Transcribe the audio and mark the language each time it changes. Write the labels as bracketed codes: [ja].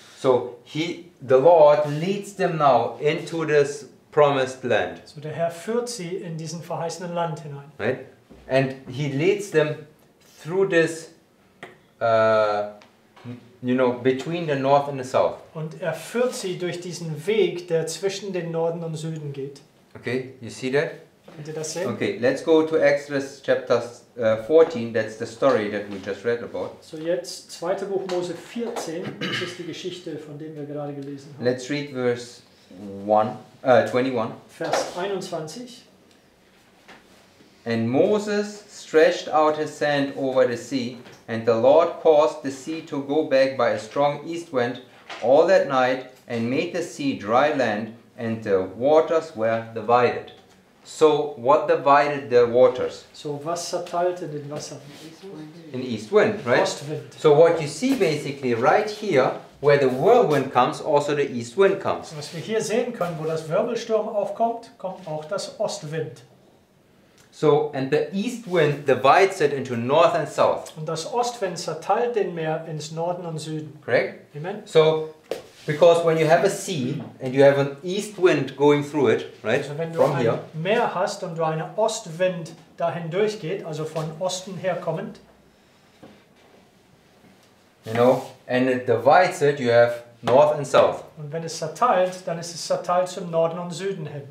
[en] So the Lord leads them now into this promised land. [de] So der Herr führt sie in diesen verheißenen Land hinein. [en] Right. And he leads them through this between the north and the south. [de] Und er führt sie durch diesen Weg, der zwischen den Norden und Süden geht. [en] Okay, you see that? [de] Könnt ihr das sehen? [en] Okay, let's go to Exodus chapter 14, that's the story that we just read about. [de] So jetzt 2. Buch Mose 14, das ist die Geschichte, von dem wir gerade gelesen haben. [en] Let's read verse 21. [de] Vers 21. [en] And Moses stretched out his hand over the sea, and the Lord caused the sea to go back by a strong east wind all that night, and made the sea dry land, and the waters were divided. So what divided the waters? [de] So was zerteilte den Wasser? [en] In east wind, right? [de] Ostwind. [en] So what you see basically right here, where the whirlwind comes, also the east wind comes. [de] Was wir hier sehen können, wo das Wirbelsturm aufkommt, kommt auch das Ostwind. [en] So and the east wind divides it into north and south. [de] Und das Ostwind zerteilt den Meer ins Norden und Süden. [en] Correct? Amen. So because when you have a sea and you have an east wind going through it, right? [de] Also wenn du from ein Meer hast und du eine Ostwind dahin durchgeht, also von Osten her kommend, [en] you know, and it divides it, you have north and south. [de] Und wenn es zerteilt, dann ist es zerteilt zum Norden und Süden hin.